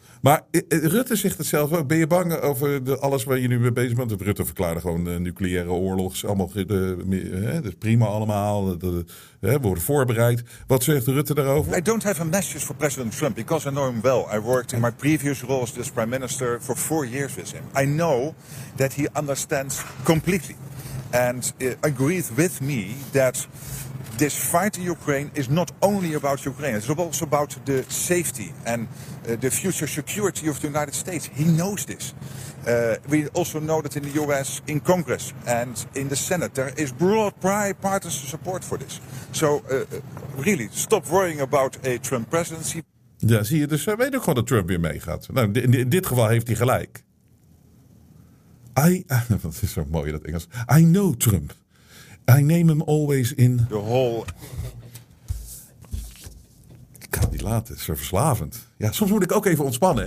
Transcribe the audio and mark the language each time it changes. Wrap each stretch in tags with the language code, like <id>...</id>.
<nl>Maar Rutte zegt het zelf ook. Ben je bang over alles waar je nu mee bezig bent? Rutte verklaarde gewoon nucleaire oorlog. Dat is prima allemaal. We worden voorbereid. Wat zegt Rutte daarover?</nl> <en>I don't have a message for President Trump because I know him well. I worked in my previous role as this prime minister for 4 years with him. I know that he understands completely. And agreed with me that... This fight in Ukraine is not only about Ukraine, it's also about the safety and the future security of the United States. He knows this. We also know that in the US, in Congress and in the Senate, there is broad bipartisan support for this. So really, stop worrying about a Trump presidency.</en> <nl>Ja, zie je, dus hij weet ook gewoon dat Trump weer meegaat. Nou, in dit geval heeft hij gelijk. Dat is zo mooi, dat Engels.</nl> <en>I know Trump. I name him always in... The whole...</en> <nl>Ik kan het niet laten, het is zo verslavend. Ja, soms moet ik ook even ontspannen.</nl>